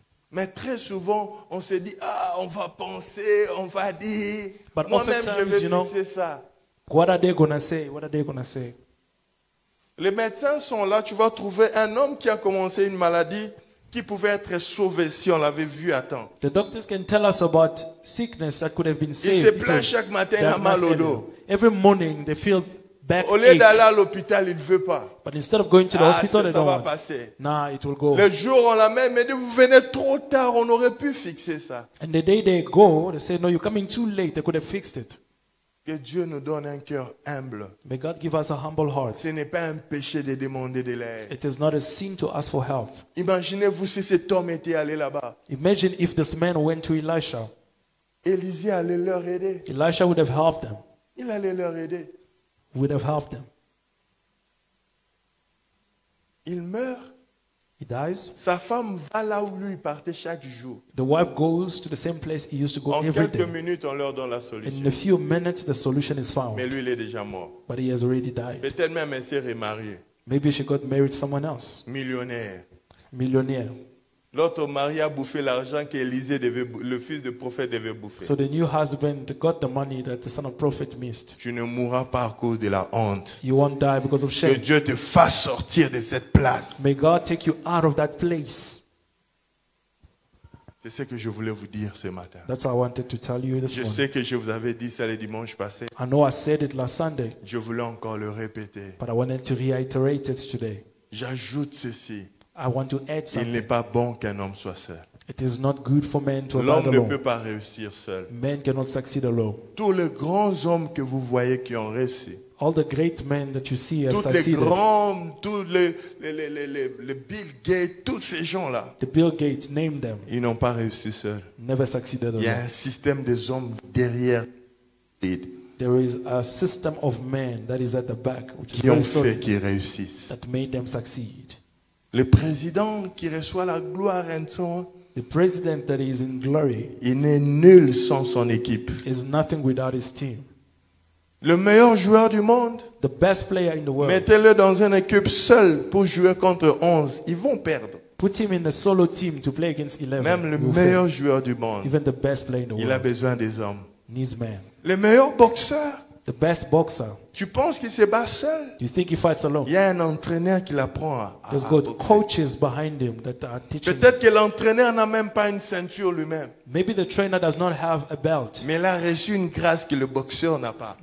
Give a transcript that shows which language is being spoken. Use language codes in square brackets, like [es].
[fr] Mais très souvent, on se dit, ah, on va penser, on va dire, [en] but [fr] moi-même [en] times, [fr] je vais [en] you know, [fr] fixer ça. [en] What are they gonna say? What are they gonna say? [fr] Les médecins sont là, tu vas trouver un homme qui a commencé une maladie qui pouvait être sauvé si on l'avait vu à temps. [en] The doctors can tell us about sickness that could have been saved. [fr] Il se plaint chaque matin, il a mal au dos. [en] Every morning they feel back. [fr] Au lieu d'aller à l'hôpital, il ne veut pas. [en] But instead of going to the hospital, ah, they don't [fr] va passer. [en] Nah, it will go. [fr] Le jour on l'amène, mais vous venez trop tard, on aurait pu fixer ça. [en] And the day they go, they say, no, you're coming too late. They could have fixed it. [fr] Que Dieu nous donne un cœur humble. [en] May God give us a humble heart. [fr] Ce n'est pas un péché de demander de l'aide. [en] It is not a sin to ask for help. [fr] Imaginez-vous si cet homme était allé là-bas. [en] Imagine if this man went to Elisha. [fr] Élisée allait leur aider. [en] Elisha would have helped them. [fr] Il allait leur aider. [en] Would have helped them. [fr] Il meurt. [en] He dies. [fr] Sa femme va là où lui partait chaque jour. [en] The wife goes to the same place he used to go en every day. [fr] En quelques minutes, on leur donne la solution. [en] In a few minutes, the solution is found. [fr] Mais lui, il est déjà mort. [en] But he has already died. [fr] Peut-être même elle s'est remariée. [en] Maybe she got married someone else. [fr] Millionnaire. Millionnaire. L'autre mari a bouffé l'argent que Élisée devait, le fils de prophète devait bouffer. [en] So the new husband got the money that the son of prophet missed. [fr] Tu ne mourras pas à cause de la honte. [en] You won't die because of shame. [fr] Que Dieu te fasse sortir de cette place. [en] May God take you out of that place. [fr] C'est ce que je voulais vous dire ce matin. [en] That's what I wanted to tell you this morning. [fr] Je sais que je vous avais dit ça le dimanche passé. [en] I know I said it last Sunday. [fr] Je voulais encore le répéter. [en] But I wanted to reiterate it today. [fr] J'ajoute ceci. [en] I want to add something. [fr] Il n'est pas bon qu'un homme soit seul. [en] It is not good for men to [fr] l'homme [en] abide alone. [fr] Ne peut pas réussir seul. [en] Men cannot succeed alone. [fr] Tous les grands hommes que vous voyez qui ont réussi. [en] All the great men that you see have [fr] toutes [en] succeeded. [fr] Les grands, tous les Bill Gates, tous ces gens-là. [en] The Bill Gates, name them. [fr] Ils n'ont pas réussi seuls. [en] Never succeeded alone. [fr] Il y a un système des hommes derrière. [en] There is a system of men that is at the back which [fr] qui ont fait qu'ils réussissent. [en] That made them succeed. [fr] Le président qui reçoit la gloire en son, [en] the president that is in glory, [fr] il n'est nul sans son équipe. [en] Is nothing without his team. [fr] Le meilleur joueur du monde, [en] the best player in the world, [fr] mettez-le dans une équipe seul pour jouer contre 11, ils vont perdre. [en] Put him in a solo team to play against 11. [fr] Même le meilleur joueur du monde, [en] even the best player in the [fr] il [en] world, [fr] a besoin des hommes. [en] Needs men. [fr] Le meilleur boxeur, [en] The best boxer. [fr] Tu penses qu'il se bat seul? [en] Do you think he fights alone? [fr] Il y a un entraîneur qui l'apprend à boxer. [en] There's got coaches behind him that are teaching. [fr] Peut-être que l'entraîneur n'a même pas une ceinture lui-même. [en] Maybe the trainer does not have a belt. [fr] Mais il a reçu une grâce que le boxeur n'a pas.